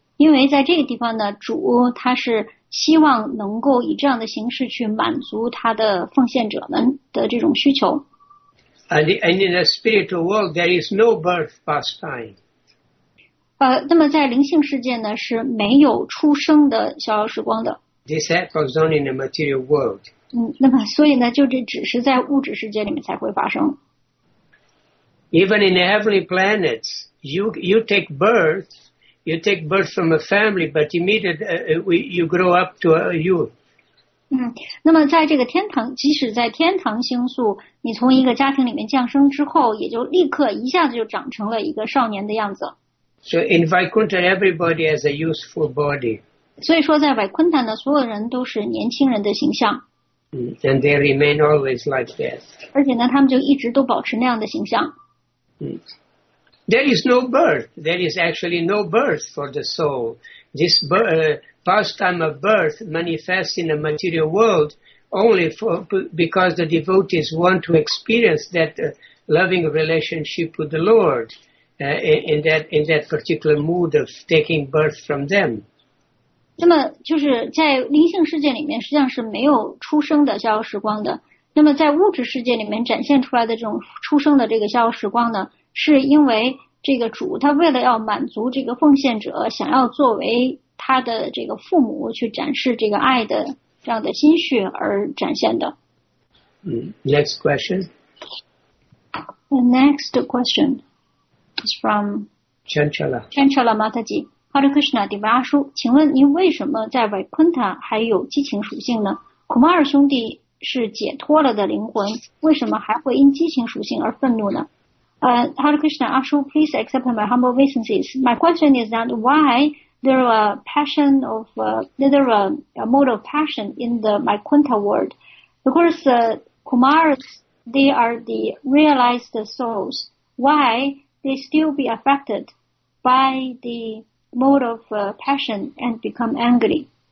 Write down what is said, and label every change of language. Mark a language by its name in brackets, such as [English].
[Chinese] 因为在这个地方呢，主他是希望能够以这样的形式去满足他的奉献者们的这种需求。 [English] And in the spiritual world, there is no birth pastime. [Chinese] 那么在灵性世界呢，是没有出生的逍遥时光的。 [English] This happens only in the material world. [Chinese] 那么所以呢，就这只是在物质世界里面才会发生。 [English] Even in the heavenly planets, you take birth from a family, but immediately you grow up to a youth. [Chinese] 那么在这个天堂，即使在天堂星宿，你从一个家庭里面降生之后，也就立刻一下子就长成了一个少年的样子。 [English] So in Vaikuntha, everybody has a youthful body. [Chinese] 所以说在 Vaikuntha 呢，所有人都是年轻人的形象。 [English] And they remain always like that. [Chinese] 而且呢，他们就一直都保持那样的形象。 [English] There is no birth. There is actually no birth for the soul. This pastime of birth manifests in the material world only because the devotees want to experience that loving relationship with the Lord. In that particular mood of taking birth from them. [Chinese] 那么就是在灵性世界里面实际上是没有出生的逍遥时光的。那么在物质世界里面展现出来的这种出生的这个逍遥时光呢，是因为这个主他为了要满足这个奉献者想要作为他的这个父母去展示这个爱的这样的心绪而展现的。 [English] Next question. The next question. It's from Chanchala [Chinese] Mataji. Hare Krishna, Divashu. 请问您为什么在 Vaikuntha 还有激情属性呢？库马尔兄弟是解脱了的灵魂，为什么还会因激情属性而愤怒呢？ [English] Hare Krishna, Ashu, please accept my humble obeisances. My question is that why there are a mode of passion in the Vaikuntha world? Because Kumars, they are the realized souls. Why? They still be affected by the mode of passion and become angry.